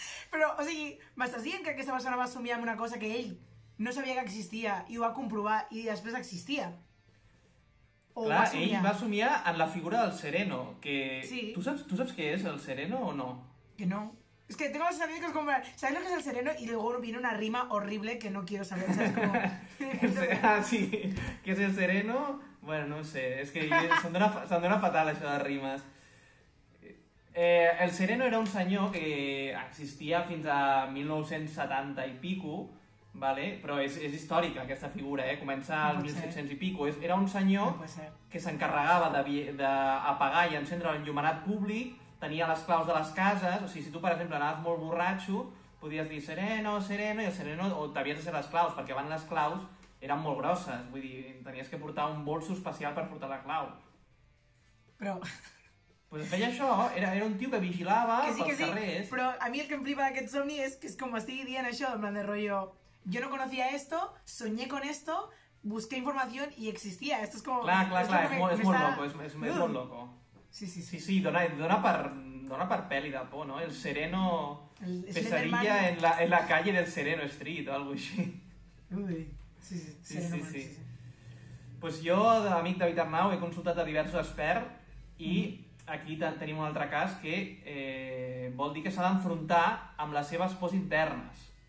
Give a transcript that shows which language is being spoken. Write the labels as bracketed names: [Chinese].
[Catalan] Però, o sigui, m'estàs dient que aquesta persona va somiar amb una cosa que ell no sabia que existia i ho va comprovar i després existia? Clar, ell va somiar en la figura del sereno, que... Sí. Tu saps què és el sereno o no? Que no. [Spanish] És que tengo la sensación que es como... ¿Sabes lo que es el sereno? Y luego viene una rima horrible que no quiero saber. O sea, es como... sí. ¿Qué es el sereno? Bueno, no sé. [Catalan] Es que se'm dona fatal això de rimes. El sereno era un senyor que existia fins a 1970 i pico, vale, però és històrica aquesta figura, eh? Comença al 1700 i pico. Era un senyor que s'encarregava d'apagar i encendre l'enllumenat públic, tenia les claus de les cases, o sigui, si tu, per exemple, anaves molt borratxo, podies dir sereno, sereno, i el sereno, o t'havies de ser les claus, perquè abans les claus eren molt grosses, vull dir, tenies que portar un bolso especial per portar la clau. Però... Pues feia això, era un tio que vigilava pels carrers. Però a mi el que em flipa d'aquest somni és que és com estigui dient això, en plan de rotllo... [Spanish] Yo no conocía esto, soñé con esto, busqué información y existía. Esto es como... [Catalan] Clar, clar, clar, és molt loco, és molt loco. Sí, sí, sí. Sí, sí, dona per pel·li de por, no? El sereno... Pesadilla en la calle del Sereno Street o algo així. Sí, sí, sí, sí. Pues jo, amic David Arnau, he consultat a diversos experts i aquí tenim un altre cas que vol dir que s'ha d'enfrontar amb les seves pors internes.